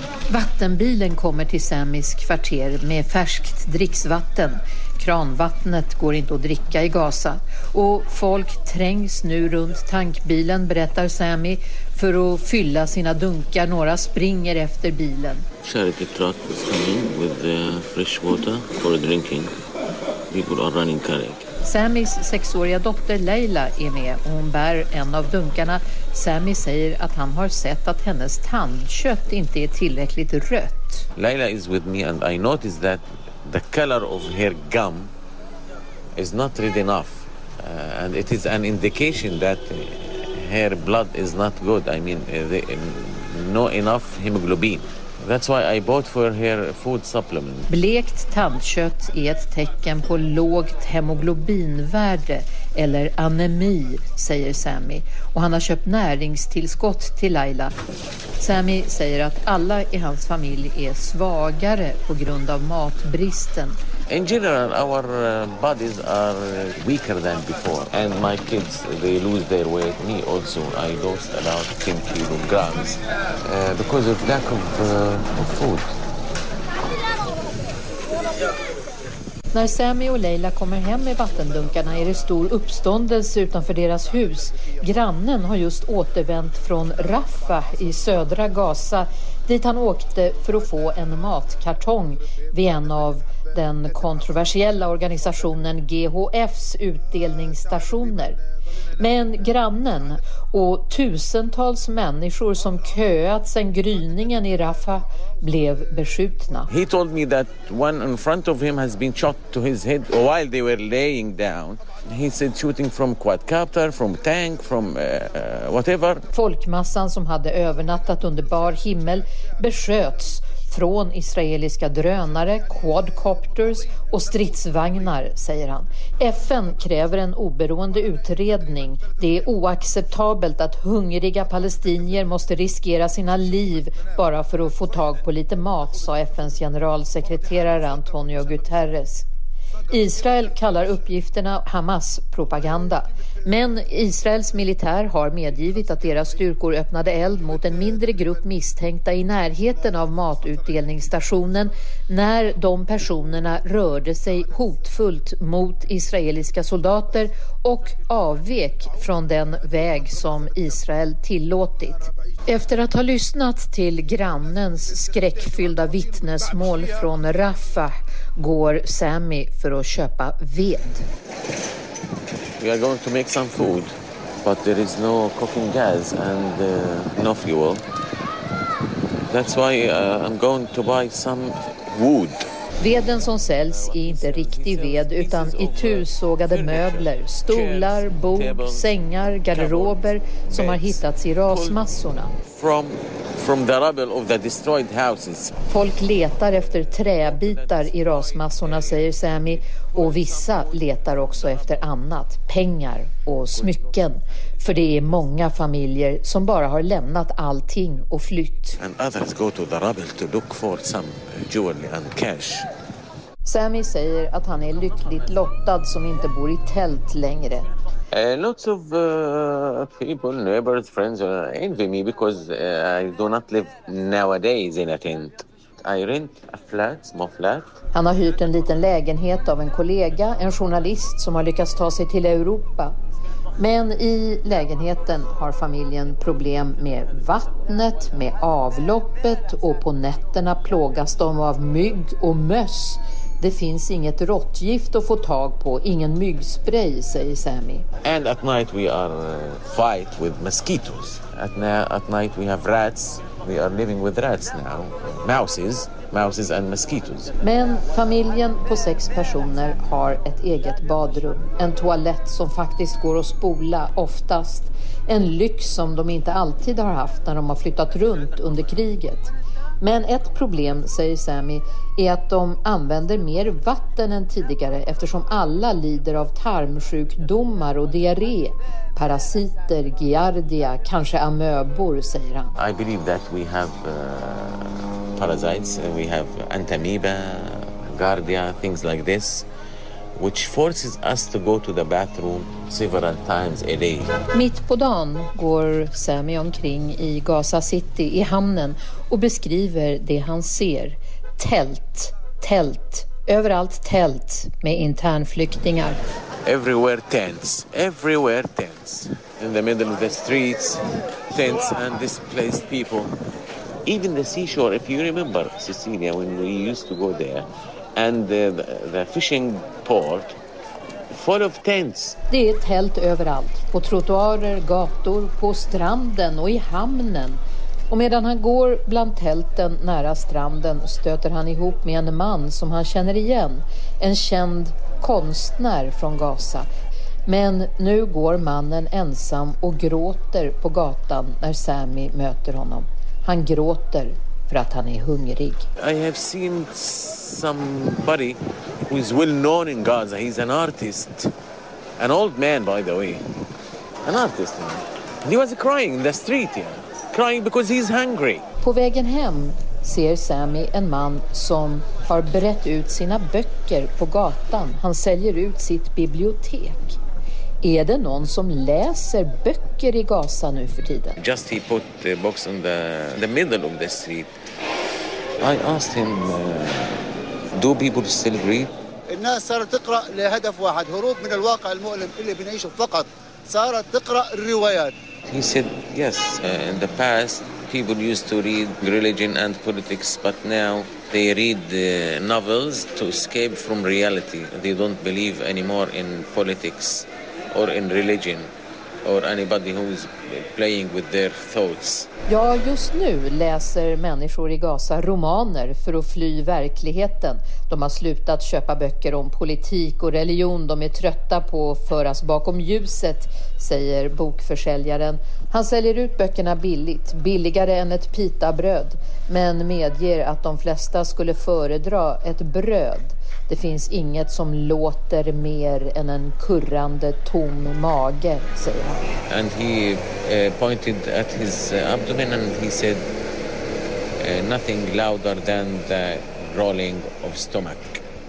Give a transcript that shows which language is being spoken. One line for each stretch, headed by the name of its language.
Swedish: Vattenbilen kommer till Samis kvarter med färskt dricksvatten. Kranvattnet går inte att dricka i Gaza. Och folk trängs nu runt tankbilen, berättar Sami, för att fylla sina dunkar. Några springer efter bilen.
English: Charity truck is coming with the fresh water for drinking. People are running carrying.
Swedish: Samis sexåriga dotter Leila är med och hon bär en av dunkarna. Sami säger att han har sett att hennes tandkött inte är tillräckligt rött.
English: Leila is with me and I noticed that the color of her gum is not red enough. And it is an indication that her blood is not good. I mean, no enough hemoglobin. That's why I bought for her food supplement.
Swedish: Blekt tandkött är ett tecken på lågt hemoglobinvärde eller anemi, säger Sami. Och han har köpt näringstillskott till Laila. Sami säger att alla i hans familj är svagare på grund av matbristen.
English: In general, our bodies are weaker than before. And my kids, they lose their weight. Me also, I lost about 10 kilograms because of lack of food.
Swedish: När Sami och Leila kommer hem med vattendunkarna är det stor uppståndelse utanför deras hus. Grannen har just återvänt från Rafah i södra Gaza dit han åkte för att få en matkartong vid en av den kontroversiella organisationen GHFs utdelningsstationer. Men grannen och tusentals människor som köat sedan gryningen i Rafah blev beskjutna.
English: He told me that one in front of him has been shot to his head while they were laying down. He said shooting from quadcopter, from tank, from whatever.
Swedish: Folkmassan som hade övernattat under bar himmel besköts Från israeliska drönare, quadcopters och stridsvagnar, säger han. FN kräver en oberoende utredning. Det är oacceptabelt att hungriga palestinier måste riskera sina liv bara för att få tag på lite mat, sa FNs generalsekreterare Antonio Guterres. Israel kallar uppgifterna Hamas propaganda. Men Israels militär har medgivit att deras styrkor öppnade eld mot en mindre grupp misstänkta i närheten av matutdelningsstationen när de personerna rörde sig hotfullt mot israeliska soldater och avvek från den väg som Israel tillåtit. Efter att ha lyssnat till grannens skräckfyllda vittnesmål från Rafah går Sammy för att köpa ved.
English: We are going to make some food, but there is no cooking gas and no fuel. That's why I'm going to buy some wood.
Swedish: Veden som säljs är inte riktig ved utan itusågade möbler, stolar, bord, sängar, garderober som har hittats i rasmassorna.
English: From the rubble of the destroyed houses.
Swedish: Folk letar efter träbitar i rasmassorna, säger Sammy, och vissa letar också efter annat, pengar och smycken, för det är många familjer som bara har lämnat allting och flytt.
English: And others go to the rubble to look for some jewelry and cash.
Swedish: Sammy säger att han är lyckligt lottad som inte bor i tält längre.
English: Lots of people, neighbors, friends envy me because I do not live nowadays in a tent. I rent a flat, small flat.
Swedish: Han har hyrt en liten lägenhet av en kollega, en journalist som har lyckats ta sig till Europa. Men i lägenheten har familjen problem med vattnet, med avloppet och på nätterna plågas de av mygg och möss. Det finns inget råttgift att få tag på, ingen myggspray, säger Sammy.
English: And at night we are fight with mosquitoes. At night we have rats. We are living with rats now. Mouses and mosquitoes.
Swedish: Men familjen på 6 personer har ett eget badrum, en toalett som faktiskt går att spola oftast, en lyx som de inte alltid har haft när de har flyttat runt under kriget. Men ett problem, säger Sammy, är att de använder mer vatten än tidigare eftersom alla lider av tarmsjukdomar och diarré, parasiter, giardia, kanske amöbor, säger han.
English: I believe that we have parasites, we have entamoeba, giardia, things like this, which forces us to go to the bathroom several times a day.
Swedish: Mitt på dagen går Sammy omkring i Gaza City i hamnen och beskriver det han ser. Tält, överallt tält med internflyktingar.
English: Everywhere tents. In the middle of the streets, tents and displaced people. Even the seashore, if you remember, Cecilia, when we used to go there, and the fishing port full of tents.
Swedish: Det är tält överallt, på trottoarer, gator, på stranden och i hamnen. Och medan han går bland tälten nära stranden stöter han ihop med en man som han känner igen, en känd konstnär från Gaza. Men nu går mannen ensam och gråter på gatan när Sammy möter honom. Han gråter för att han är hungrig.
English: I have seen somebody who is well known in Gaza. He's an artist. An old man, by the way. An artist. He was crying in the street, yeah. Crying because he's hungry.
Swedish: På vägen hem ser Sammy en man som har brett ut sina böcker på gatan. Han säljer ut sitt bibliotek. Är det någon som läser böcker i Gaza nu för tiden?
English: Just he put the books in the middle of the street. I asked him, do people still read?
Arabic: الناس صارت تقرأ لهدف واحد, هروب من الواقع المؤلم اللي بنعيشه فقط. صارت تقرأ الروايات.
English: He said, yes, in the past people used to read religion and politics, but now they read novels to escape from reality. They don't believe anymore in politics or in religion. or anybody who is playing with their thoughts.
Swedish: Ja, just nu läser människor i Gaza romaner för att fly verkligheten. De har slutat köpa böcker om politik och religion. De är trötta på att föras bakom ljuset, säger bokförsäljaren. Han säljer ut böckerna billigt, billigare än ett pitabröd, men medger att de flesta skulle föredra ett bröd. Det finns inget som låter mer än en kurrande tom mage, säger han.
English: And he pointed at his abdomen and he said nothing louder than the growling of stomach.